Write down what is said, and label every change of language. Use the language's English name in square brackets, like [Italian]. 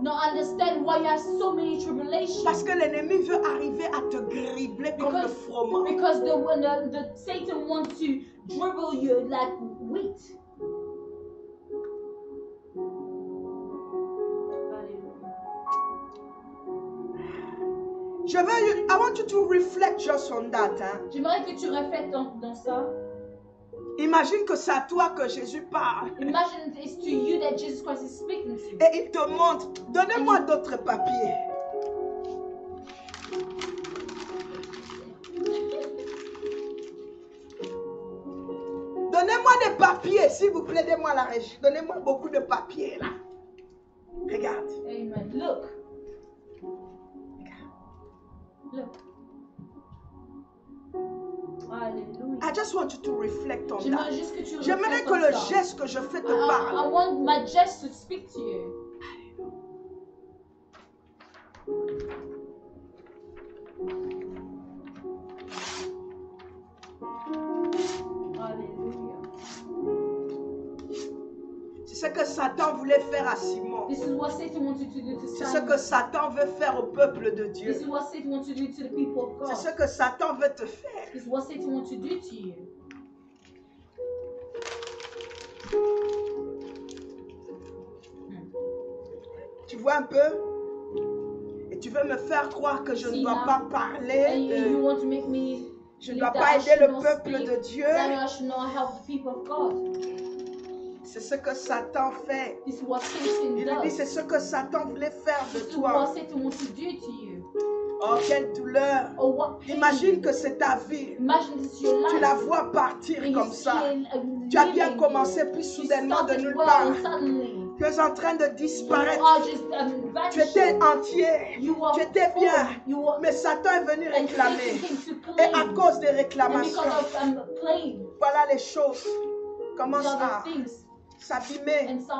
[English] Now understand why you have so many tribulations. [French] Parce que l'ennemi veut arriver à te gribler comme le froment. [English] Because the Satan wants to dribble you like wheat. [French] Je veux, [English] I want you to reflect just on that. Hein. [French] J'aimerais que tu reflètes dans ça. Imagine que c'est à toi que Jésus parle. [English] Imagine it's to you that Jesus Christ is speaking to. [French] Et il te montre, donnez-moi d'autres papiers. Donnez-moi des papiers, s'il vous plaît, donnez-moi la régie. Donnez-moi beaucoup de papiers là. Regarde. [English] Amen. Look. Regarde. Look. I just want you to reflect on that. [French] J'aimerais que le geste que je fais te parle. [English] I want my gest to speak to you. [French] C'est ce que Satan voulait faire à Simon. [English] This is what Satan wanted to do to Simon. [French] C'est ce que Satan veut faire au peuple de Dieu. [English] This is what Satan wants to do to the people of God. [French] C'est ce que Satan veut te faire. [English] This is what Satan wants to do to you. [French] Tu vois un peu? Et tu veux me faire croire que je ne dois pas parler de... [English] You want to make me... [French] Je ne dois pas aider le peuple de Dieu. [English] That I should not help the people of God. [French] C'est ce que Satan fait. [English] This is what Satan does. [French] Il dit, c'est ce que Satan voulait faire de toi. [English] This is what Satan wants to do to you. [French] Oh, quelle douleur. [English] Oh, what pain. [French] Imagine que c'est ta vie. [English] Imagine this is your life. [French] Tu la vois partir [English] and [French] comme ça. Tu as bien commencé, puis soudainement de nulle part. Tu es en train de disparaître. Tu étais entier. Tu étais bien. Mais Satan est venu réclamer. Et à cause des réclamations, voilà les choses. Comment ça? s'abîmer.